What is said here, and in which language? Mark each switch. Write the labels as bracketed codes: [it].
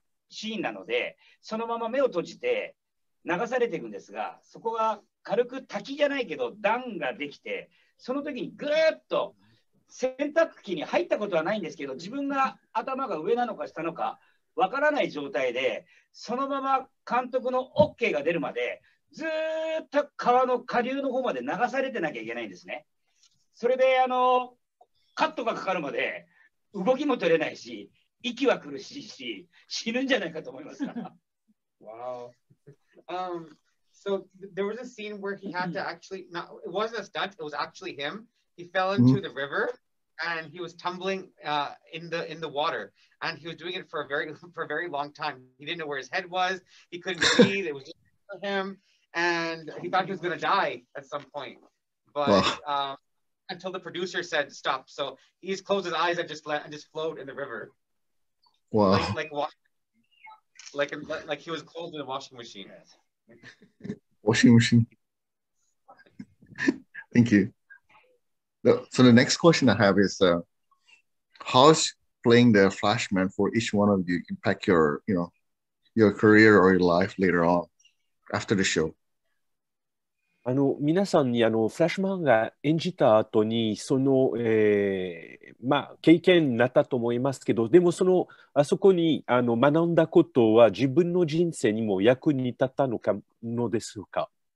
[ja] シーンなので、そのまま目を閉じて流されていくんですが、そこが軽く滝じゃないけど段ができて、その時にぐーっと洗濯機に入ったことはないんですけど、自分が頭が上なのか下のかわからない状態で、そのまま監督の OK が出るまでずーっと川の下流の方まで流されてなきゃいけないんですね。それでカットがかかるまで動きも取れないし、息は苦しいし、死ぬんじゃないかと思いますか。 [en] Wow. So there was a scene where he had to actually, not, it wasn't a stunt, it was actually him. He fell into the river and he was tumbling in the water, and he was doing it for a very long time. He didn't know where his head was, he couldn't breathe, it was just for him, and he thought he was going to die at some point, but until the producer said stop. So he just closed his eyes and just flowed in the river. Wow. Like he was closed in a washing machine. Washing machine. Thank you. So the next question I have is, how's playing the Flashman for each one of you impact your career or your life later on after the show? [ja] 皆さんにFlashmanが演じた後にその、経験になったと思いますけど、でもそのあそこに学んだことは自分の人生にも役に立ったのかのでしょうか？